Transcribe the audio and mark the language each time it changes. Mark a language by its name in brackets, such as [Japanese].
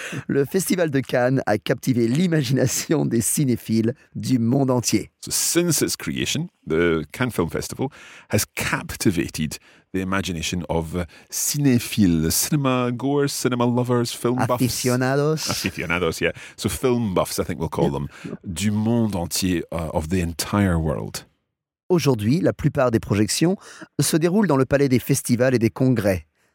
[French] le Festival de Cannes a captivé l'imagination des cinéphiles du monde entier. [English] So since its creation, the Cannes Film Festival has captivated the imagination of cinéphiles, cinema goers, cinema lovers, film aficionados. Buffs. Aficionados, yeah. So film buffs, I think we'll call them, [French] du monde entier, [English] of the entire world. [French] Aujourd'hui, la plupart des projections se déroulent dans le palais des festivals et des congrès.